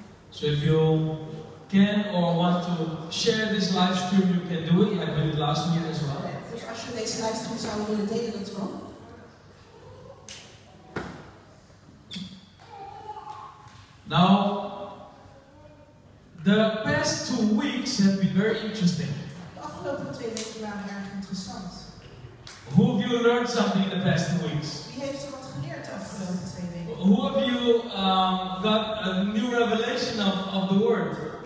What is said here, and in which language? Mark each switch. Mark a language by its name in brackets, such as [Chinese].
[English] So if you can or want to share this live stream, you can do it. I did it last year as well. [Dutch] Dus als je deze live stream zou willen delen, dat kan. [English] Now, the past 2 weeks have been very interesting. [Dutch] De afgelopen 2 weken waren erg interessant. [English] Who have you learned something in the past 2 weeks? [Dutch] Wie heeft er wat geleerd de afgelopen 2 weken? [English] Who of you got a new revelation of the word?